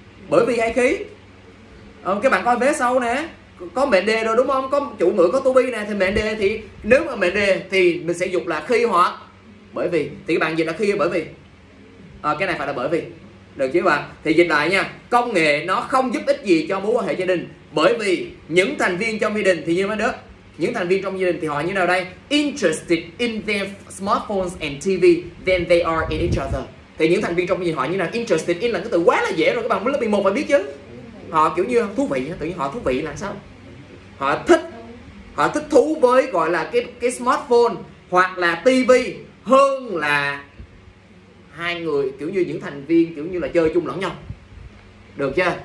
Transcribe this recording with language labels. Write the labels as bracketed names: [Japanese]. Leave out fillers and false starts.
[Vietnamese] Bởi vì hay khí. Các bạn coi vế sau nè. Có mệnh đề rồi đúng không? Có chủ ngữ, có to be nè. Thì mệnh đề thì, nếu mà mệnh đề thì mình sẽ dùng là khi hoặc bởi vì. Thì các bạn dịch là khi hay bởi vì? Cái này phải là bởi vì. Được chứ các bạn? Thì dịch lại nha. Công nghệ nó không giúp ích gì cho mối quan hệ gia đình. Bởi vì những thành viên trong gia đình thì như mấy đứa. Những thành viên trong gia đình thì họ như nào đây? [English] Interested in their smartphones and TV than they are in each other. [Vietnamese] Thì những thành viên trong gia đình họ như nào? [English] Interested in [Vietnamese] là cái từ quá là dễ rồi, các bạn mới lớp 11 phải biết chứ. Họ kiểu như thú vị, tự nhiên họ thú vị là sao? Họ thích thú với gọi là cái smartphone hoặc là TV hơn là hai người kiểu như những thành viên kiểu như là chơi chung lẫn nhau. Được chưa?